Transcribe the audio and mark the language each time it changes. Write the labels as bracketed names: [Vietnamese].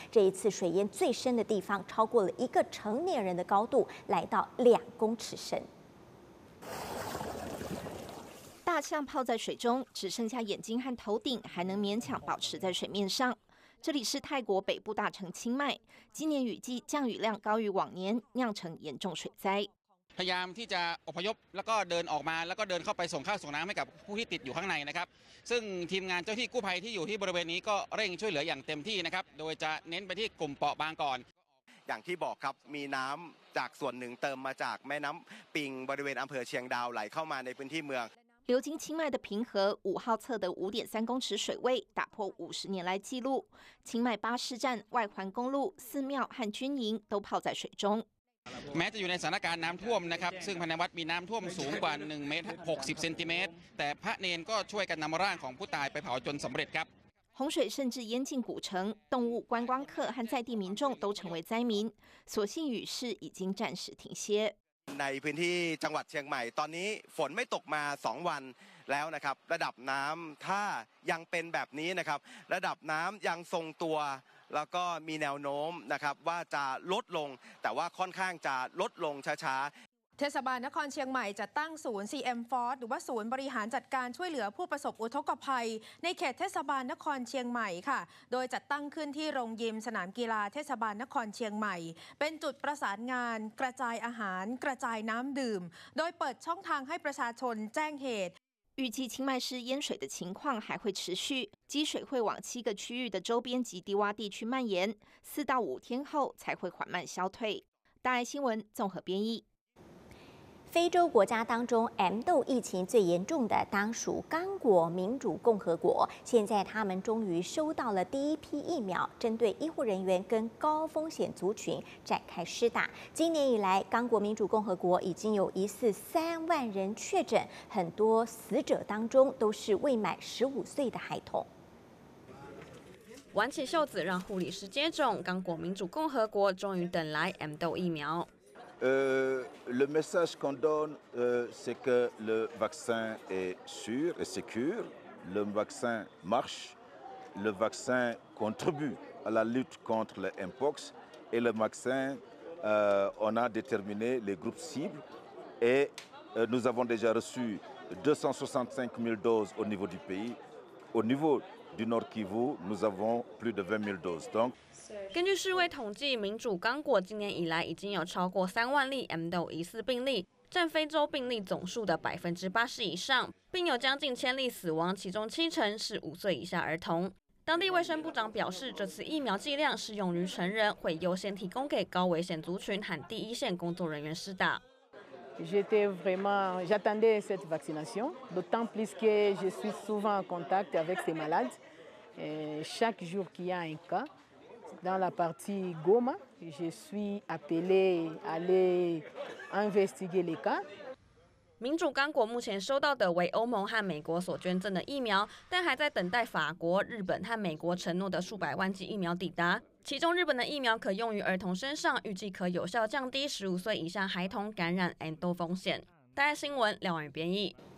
[Chinese] 这一次水淹最深的地方超过了一个成年人的高度，来到2公尺深。大象泡在水中，只剩下眼睛和头顶还能勉强保持在水面上。这里是泰国北部大城清迈，今年雨季降雨量高于往年，酿成严重水灾。 [Thai] พยายามที่จะอพยพแล้วก็เดินออกมาแล้วก็เดินเข้าไปส่งข้าวส่งน้ำให้กับผู้ที่ติดอยู่ข้างในนะครับซึ่งทีมงานเจ้าที่กู้ภัยที่อยู่ที่บริเวณนี้ก็เร่งช่วยเหลืออย่างเต็มที่นะครับโดยจะเน้นไปที่กลุ่มเปราะบางก่อน อย่างที่บอกครับมีน้ำจากส่วนหนึ่งเติมมาจากแม่น้ำปิงบริเวณอำเภอเชียงดาวไหลเข้ามาในพื้นที่เมือง [Chinese] 流经清迈的平河五号测得5.3公尺水位，打破50年来纪录。清迈巴士站、外环公路、寺庙和军营都泡在水中。 [Thai] แม้จะอยู่ในสถานการณ์น้ำท่วมนะครับซึ่งภายในวัดมีน้ำท่วมสูงกว่า1.60 เมตรแต่พระเนนก็ช่วยกันนำร่างของผู้ตายไปเผาจนสำเร็จครับ [Chinese] 洪水甚至淹进古城，动物、观光客和在地民众都成为灾民。所幸雨势已经暂时停歇。 [Thai] ในพื้นที่จังหวัดเชียงใหม่ตอนนี้ฝนไม่ตกมา2 วันแล้วนะครับระดับน้ำถ้ายังเป็นแบบนี้นะครับระดับน้ำยังทรงตัวแล้วก็มีแนวโน้มนะครับว่าจะลดลงแต่ว่าค่อนข้างจะลดลงช้าๆ เทศบาลนครเชียงใหม่จะตั้งศูนย์ CM Force หรือว่าศูนย์บริหารจัดการช่วยเหลือผู้ประสบอุทกภัยในเขตเทศบาลนครเชียงใหม่ค่ะโดยจัดตั้งขึ้นที่โรงยิมสนามกีฬาเทศบาลนครเชียงใหม่เป็นจุดประสานงานกระจายอาหารกระจายน้ำดื่มโดยเปิดช่องทางให้ประชาชนแจ้งเหตุ [Chinese] 预计清迈市淹水的情况还会持续，积水会往7个区域的周边及低洼地区蔓延，4到5天后才会缓慢消退。大爱新闻综合编译。非洲国家当中 M 痘疫情最严重的当属刚果民主共和国，现在他们终于收到了第一批疫苗，针对医护人员跟高风险族群展开施打。今年以来，刚果民主共和国已经有1.3万人确诊，很多死者当中都是未满15岁的孩童。挽起袖子让护理师接种，刚果民主共和国终于等来 M 痘疫苗。 [French] Le message qu'on donne, c'est que le vaccin est sûr et sécur. Le vaccin marche. Le vaccin contribue à la lutte contre le Mpox. Et le vaccin, on a déterminé les groupes cibles. Et nous avons déjà reçu 265 000 doses au niveau du pays. Au niveau du Nord Kivu, nous avons plus de 20 000 doses. Donc, [Chinese] 根据世卫统计，民主刚果今年以来已经有超过3万例 M 痘疑似病例，占非洲病例总数的80%以上，并有将近1000例死亡，其中70%是5岁以下儿童。当地卫生部长表示，这次疫苗剂量适用于成人，会优先提供给高危险族群和第一线工作人员施打。 [French] J'étais vraiment, j'attendais cette vaccination, d'autant plus que je suis souvent en contact avec ces malades. Chaque jour qu'il y a un cas dans la partie Goma, je suis appelée à aller investiguer les cas. [Chinese] 民主刚果目前收到的为欧盟和美国所捐赠的疫苗，但还在等待法国、日本和美国承诺的数百万剂疫苗抵达。其中，日本的疫苗可用于儿童身上，预计可有效降低15岁以下孩童感染 endo 风险。大家新闻，廖婉编译。